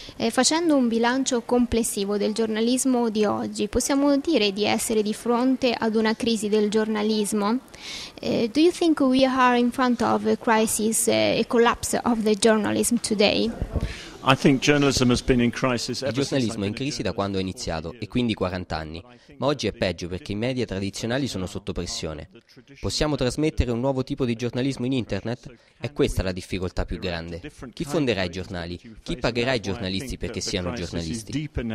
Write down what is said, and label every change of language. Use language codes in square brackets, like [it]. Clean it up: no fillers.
[it] Facendo un bilancio complessivo del giornalismo di oggi, possiamo dire di essere di fronte ad una crisi del giornalismo? [en] Do you think we are in front of a crisis, a collapse of the journalism today? I think journalism has been in crisis [it] Il giornalismo è in crisi da quando è iniziato, e quindi 40 anni. Ma oggi è peggio perché i media tradizionali sono sotto pressione. Possiamo trasmettere un nuovo tipo di giornalismo in internet? È questa la difficoltà più grande. Chi fonderà i giornali? Chi pagherà i giornalisti perché siano giornalisti?